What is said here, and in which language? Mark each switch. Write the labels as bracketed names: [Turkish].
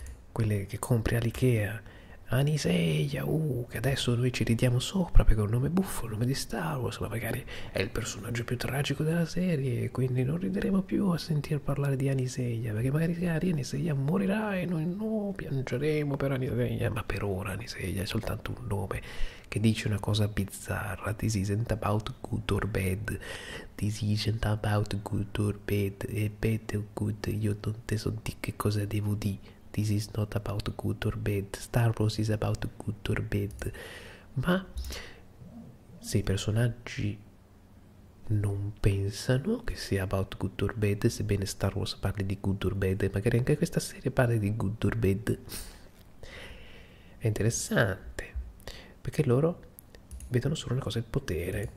[Italian] Quelle che compri all'IKEA, Aniseia, che adesso noi ci ridiamo sopra perché è un nome buffo, il nome di Star Wars, ma magari è il personaggio più tragico della serie, quindi non rideremo più a sentir parlare di Aniseia, perché magari Aniseia morirà e noi no, piangeremo per Aniseia, ma per ora Aniseia è soltanto un nome che dice una cosa bizzarra. [English] This isn't about good or bad. This isn't about good or bad. [Italian] E bad o good, io non te so di che cosa devo dire. [English] This is not about good or bad. Star Wars is about good or bad. [Italian] Ma se i personaggi non pensano che sia [English] about good or bad, [Italian] sebbene Star Wars parli di [English] good or bad, [Italian] magari anche questa serie parla di good or bad. È interessante, perché loro vedono solo una cosa, il potere.